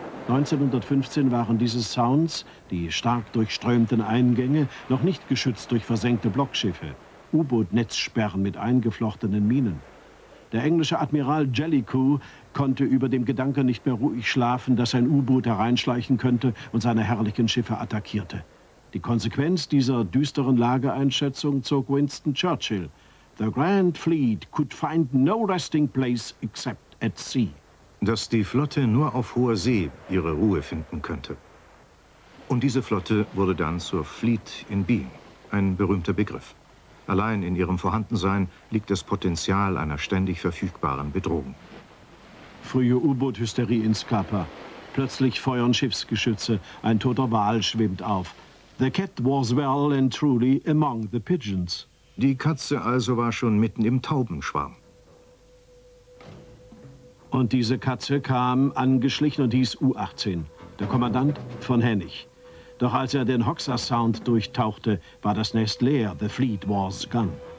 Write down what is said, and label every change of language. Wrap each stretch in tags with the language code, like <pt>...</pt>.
<de>1915 waren diese Sounds, die stark durchströmten Eingänge, noch nicht geschützt durch versenkte Blockschiffe, U-Boot-Netzsperren mit eingeflochtenen Minen. Der englische Admiral Jellicoe konnte über dem Gedanken nicht mehr ruhig schlafen, dass ein U-Boot hereinschleichen könnte und seine herrlichen Schiffe attackierte. Die Konsequenz dieser düsteren Lageeinschätzung zog Winston Churchill.</de> <en>The Grand Fleet could find no resting place except at sea.</en> <de>Dass die Flotte nur auf hoher See ihre Ruhe finden könnte. Und diese Flotte wurde dann zur Fleet in Being, ein berühmter Begriff. Allein in ihrem Vorhandensein liegt das Potenzial einer ständig verfügbaren Bedrohung. Frühe U-Boot-Hysterie in Scapa. Plötzlich feuern Schiffsgeschütze, ein toter Wal schwimmt auf.</de> <en>The cat was well and truly among the pigeons.</en> <de>Die Katze also war schon mitten im Taubenschwarm. Und diese Katze kam angeschlichen und hieß U-18. Der Kommandant von Hennig. Doch als er den Hoxha-Sound durchtauchte, war das Nest leer.</de> <en>The fleet was gone.</en>